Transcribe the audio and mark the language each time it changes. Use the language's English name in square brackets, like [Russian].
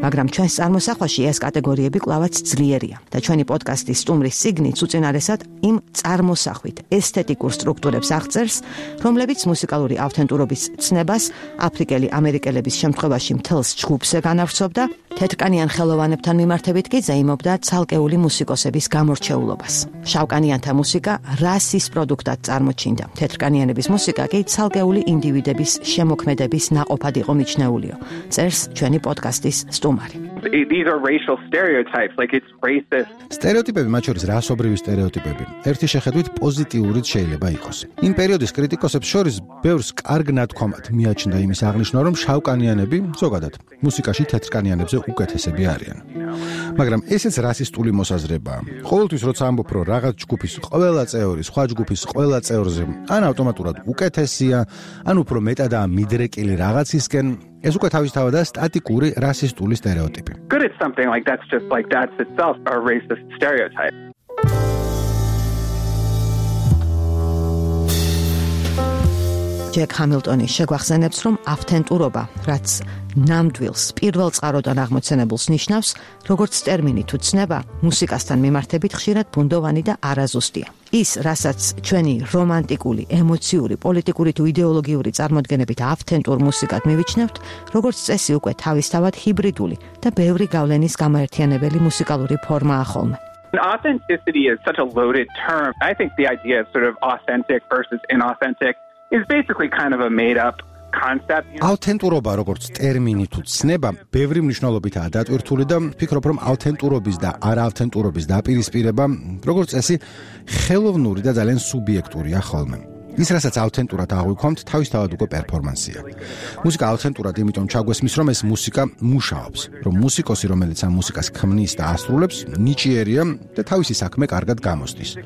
[Georgian] მაგრამ ჩვენს წარმოსახვაში ეს კატეგორიები კვლავაც ძლიერია და ჩვენი პოდკასტის სტუმრის სიგნით უწინარესად იმ წარმოსახვით ესთეტიკურ სტრუქტურებს აღწერს, რომლებიც მუსიკალური ავთენტურობის ცნებას აფრიკელი ამერიკელების შემთხვევაში მთელს ჯგუფს განავრცობდა, თეთრკანიან ხელოვანებთან მიმართებით კი ზეიმობდა ცალკეული მუსიკოსების გამორჩეულობას. შავკანიანთა მუსიკა რასის პროდუქტად წარმოჩინდა, თეთრკანიანების მუსიკა კი ცალკეული ინდივიდების შემოქმედების ნაყოფად იყო მიჩნეულიო, წერს ჩვენი პოდკასტის სტუმარი. [English] These are racial stereotypes, like it's racist. [Georgian] Stereotypes, მათ შორის რასობრივი სტერეოტიპები. ერთი შეხედვით პოზიტიურით შეიძლება იყოს. იმ პერიოდის კრიტიკოსებს შორის ბევრს კარგ ნათქვამად მიაჩნდა იმის აღნიშვნა, რომ შავკანიანები, ზოგადად, მუსიკაში თეთრკანიანებზე უკეთესები არიან. მაგრამ ესეც რასისტული მოსაზრებაა. ყოველთვის როცა ამბობ, რომ რაღაც ჯგუფის ყველა წევრი სხვა ჯგუფის ყველა წევრზე ან ავტომატურად უკეთესია, ან უფრო მეტადაა მიდრეკილი რაღაცისკენ, ეს უკვე თავისთავადაა სტატიკური რასისტული სტერეოტიპი. [English] Good it's something like that's just like that's itself a racist stereotype. [Georgian] ჯეკ ჰამილტონის შეგვახსენებს, რომ ავთენტურობა, რაც ნამდვილს, პირველ წყაროდან აღმოცენებულს ნიშნავს, როგორც ტერმინი თუ ცნება, მუსიკასთან მიმართებით ხშირად ბუნდოვანი და არაზუსტია. ის, რასაც ჩვენი რომანტიკული, ემოციური, პოლიტიკური თუ იდეოლოგიური წარმოდგენებით ავთენტურ მუსიკად მივიჩნევთ, როგორც წესი უკვე თავისთავად ჰიბრიდული და ბევრი გავლენის გამაერთიანებელი მუსიკალური ფორმაა ხოლმე. [English] Authenticity is such a loaded term. I think the idea of sort of authentic versus inauthentic is basically kind of a made up [Georgian] ავთენტურობა, როგორც ტერმინი თუ ცნება, ბევრი მნიშვნელობითაა დატვირთული და ვფიქრობ, რომ ავთენტურობის და არაავთენტურობის დაპირისპირება, როგორც წესი, ხელოვნური და ძალიან სუბიექტურია ხოლმე. ის, რასაც ავთენტურად აღვიქვამთ, თავისთავად უკვე პერფორმანსია. მუსიკა ავთენტურად იმიტომ ჩაგვესმის, რომ ეს მუსიკა მუშაობს, რომ მუსიკოსი, რომელიც ამ მუსიკას ქმნის და ასრულებს, ნიჭიერია და თავისი საქმე კარგად გამოსდის.